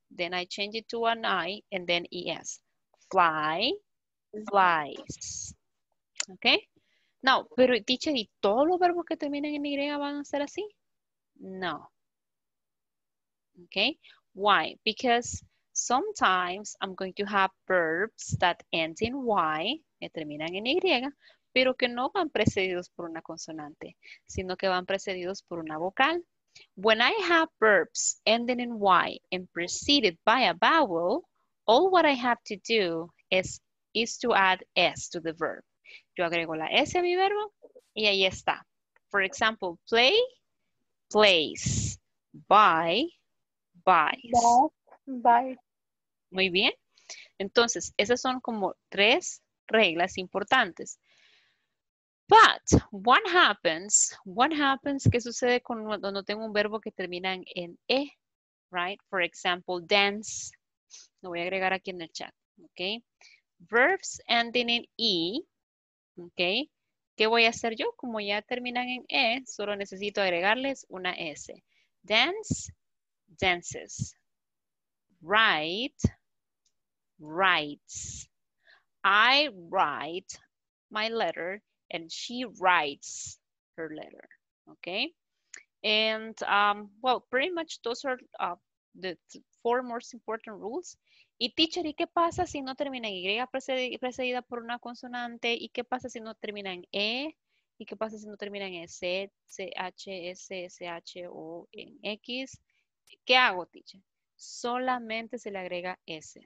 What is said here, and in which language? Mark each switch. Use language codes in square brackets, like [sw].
[en] Then I change it to an I and then ES. Fly. Flies. Okay? [es] No, pero teacher, ¿y todos los verbos que terminan en Y van a ser así? [en] No. Okay. Why? Because sometimes I'm going to have verbs that end in Y, [es] que terminan en Y, pero que no van precedidos por una consonante, sino que van precedidos por una vocal. [en] When I have verbs ending in Y and preceded by a vowel, all what I have to do is to add S to the verb. [es] Yo agrego la S a mi verbo y ahí está. [en] For example, play, plays. Buy, buys. Buy. [es] Muy bien. Entonces, esas son como tres reglas importantes. [en] But, what happens, [es] ¿qué sucede cuando no tengo un verbo que termina en E? [en] Right? For example, dance. [es] Lo voy a agregar aquí en el chat. [en] Okay? Verbs ending in E. Okay. [es] ¿Qué voy a hacer yo? Como ya terminan en E, solo necesito agregarles una S. Dance, dances. [en] write writes. I write my letter and she writes her letter. Okay. And well, pretty much those are the four most important rules. [es] Y teacher, ¿y qué pasa si no termina en Y precedida por una consonante? ¿Y qué pasa si no termina en E? ¿Y qué pasa si no termina en S, C, H, S, S, H, O, en X? ¿Qué hago, teacher? Solamente se le agrega S.